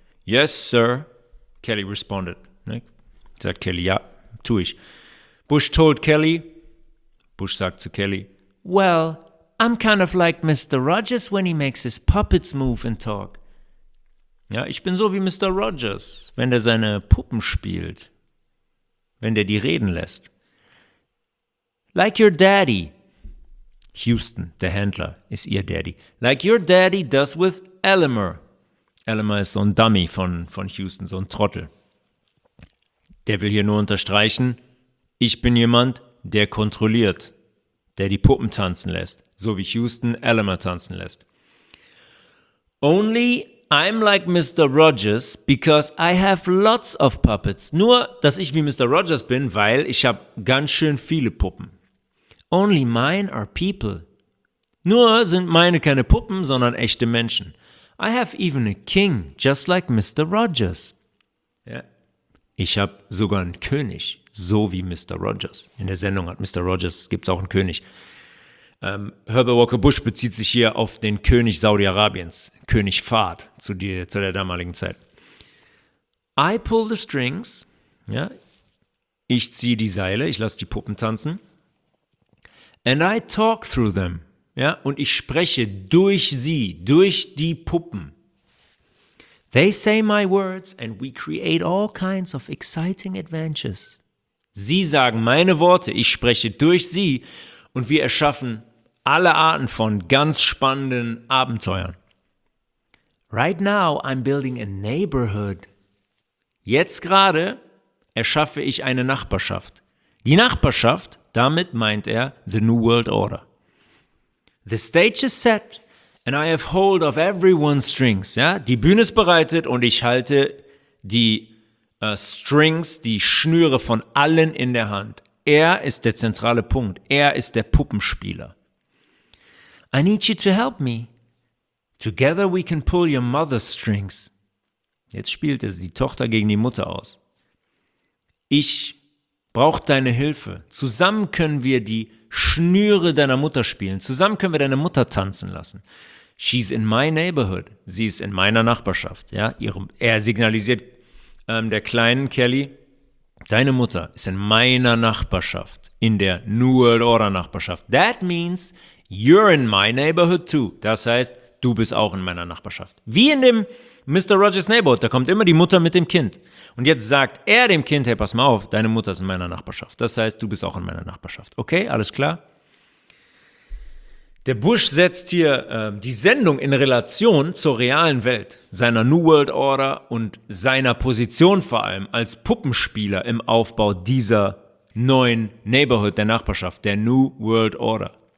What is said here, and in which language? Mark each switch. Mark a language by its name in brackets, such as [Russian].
[English] Yes, sir, Kelly responded. [German] Sagt Kelly, ja, tue ich. Bush sagt zu Kelly, [English] well, I'm kind of like Mr. Rogers when he makes his puppets move and talk. [German] Ja, ich bin so wie Mr. Rogers, wenn der seine Puppen spielt, wenn der die reden lässt. [English] Like your daddy, [German] Houston, der Händler, ist ihr Daddy. [English] Like your daddy does with Elmer. [German] Elmer ist so ein Dummy von Houston, so ein Trottel. Der will hier nur unterstreichen, ich bin jemand, der kontrolliert, der die Puppen tanzen lässt, so wie Houston Elmer tanzen lässt. [English] Only I'm like Mr. Rogers because I have lots of puppets. [German] Nur, dass ich wie Mr. Rogers bin, weil ich habe ganz schön viele Puppen. [English] Only mine are people. [German] Nur sind meine keine Puppen, sondern echte Menschen. [English] I have even a king, just like Mr. Rogers. [German] Ich habe sogar einen König, so wie Mr. Rogers. In der Sendung hat Mr. Rogers, gibt es auch einen König. Herbert Walker Bush bezieht sich hier auf den König Saudi-Arabiens, König Fahd, zu der damaligen Zeit. [English] I pull the strings, [German] ja, ich ziehe die Seile, ich lasse die Puppen tanzen. [English] And I talk through them, [German] ja, und ich spreche durch sie, durch die Puppen. [English] They say my words and we create all kinds of exciting adventures. [German] Sie sagen meine Worte, ich spreche durch sie und wir erschaffen alle Arten von ganz spannenden Abenteuern. [English] Right now I'm building a neighborhood. [German] Jetzt gerade erschaffe ich eine Nachbarschaft. Die Nachbarschaft, damit meint er the New World Order. [English] The stage is set. And I have hold of everyone's strings. [German] Ja? Die Bühne ist bereitet und ich halte die Strings, die Schnüre von allen in der Hand. Er ist der zentrale Punkt. Er ist der Puppenspieler. [English] I need you to help me. Together we can pull your mother's strings. [German] Jetzt spielt er die Tochter gegen die Mutter aus. Ich brauche deine Hilfe. Zusammen können wir die Schnüre deiner Mutter spielen. Zusammen können wir deine Mutter tanzen lassen. [English] She's in my neighborhood. [German] Sie ist in meiner Nachbarschaft. Ja, er signalisiert der kleinen Kelly, deine Mutter ist in meiner Nachbarschaft, in der New World Order Nachbarschaft. [English] That means you're in my neighborhood too. [German] Das heißt, du bist auch in meiner Nachbarschaft. Wie in dem Mr. Rogers Neighborhood, da kommt immer die Mutter mit dem Kind. Und jetzt sagt er dem Kind, hey, pass mal auf, deine Mutter ist in meiner Nachbarschaft. Das heißt, du bist auch in meiner Nachbarschaft. Okay, alles klar? Der Bush setzt hier die Sendung in Relation zur realen Welt, seiner New World Order und seiner Position vor allem als Puppenspieler im Aufbau dieser neuen Neighborhood, der Nachbarschaft, der New World Order.